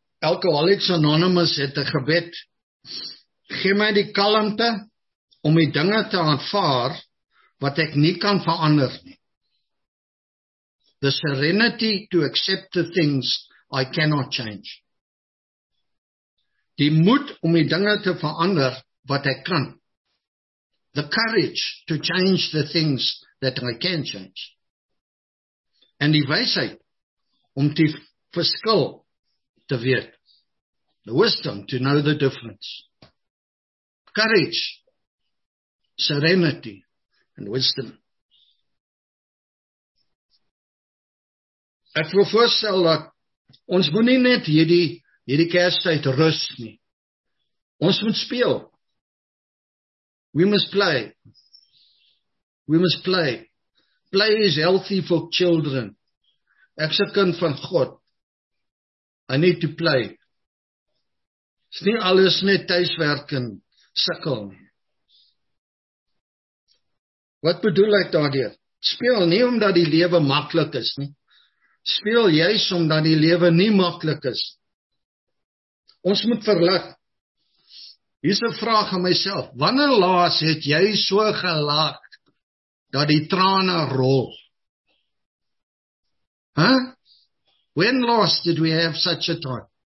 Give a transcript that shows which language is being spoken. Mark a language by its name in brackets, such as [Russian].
[Afrikaans] Alcoholics Anonymous het 'n gebed. Gee my die kalmte om die dinge te aanvaar wat ek nie kan verander nie. [English] The serenity to accept the things I cannot change. [Afrikaans] Die moed om die dinge te verander wat ek kan. [English] The courage to change the things that I can change. [Afrikaans] En die wysheid om die verskil te weet. [English] The wisdom to know the difference. Courage, serenity, and wisdom. [Afrikaans] Ek wil voorstel dat ons moet nie net hierdie kerstyd rus nie. Ons moet speel. [English] We must play. We must play. Play is healthy for children. [Afrikaans] Ek is 'n kind van God. [English] I need to play. [Afrikaans] Is nie alles net tuiswerk en sikkel. Wat bedoel ek daardeur? Speel nie omdat die lewe maklik is nie. Speel juis omdat die lewe nie maklik is. Ons moet verlig. Hier's 'n vraag aan myself. Wanneer laas het jy so gelag dat die trane rol? [English] When last did we have such a time?